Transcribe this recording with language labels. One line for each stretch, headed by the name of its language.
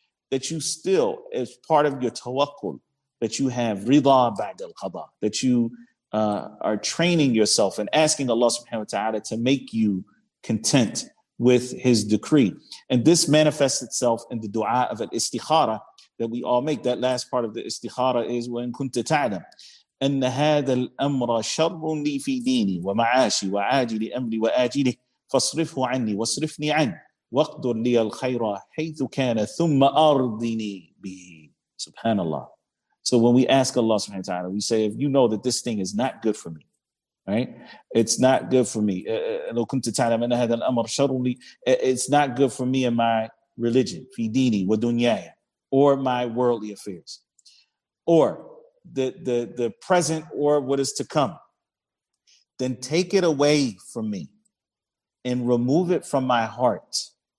English: That you still, as part of your tawakkul, that you have ridha ba'da al-qada, that you are training yourself and asking Allah subhanahu wa ta'ala to make you content with His decree. And this manifests itself in the dua of al-istikhara that we all make. That last part of the istikhara is wa in kunta ta'lam.
Arabic: أن هذا الأمر شر لي في ديني ومعاشي وعاجل أمري وآجله فاصرفه عني واصرفني عنه واقدر لي الخير حيث كان ثم أرضني به.
English: Subhanallah. So when we ask Allah subhanahu wa ta'ala, we say, if you know that this thing is not good for me, right? It's not good for me.
Arabic: لو كنت تعلم أن هذا الأمر شر لي.
English: It's not good for me in my religion,
Arabic: في ديني ودنياي,
English: or my worldly affairs, or the present or what is to come, then take it away from me and remove it from my heart.